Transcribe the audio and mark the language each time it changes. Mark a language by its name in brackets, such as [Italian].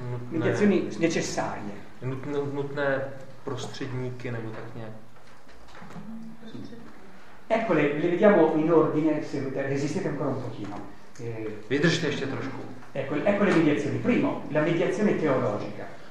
[Italian] mediazioni necessarie. [Czech] Nutné prostředníky nebo tak nějak. [Italian] Eccole, le vediamo in ordine, se resistete ancora un pochino. [Czech] Vydržte ještě trošku. [Italian] Ecco le mediazioni. Primo, la mediazione teologica.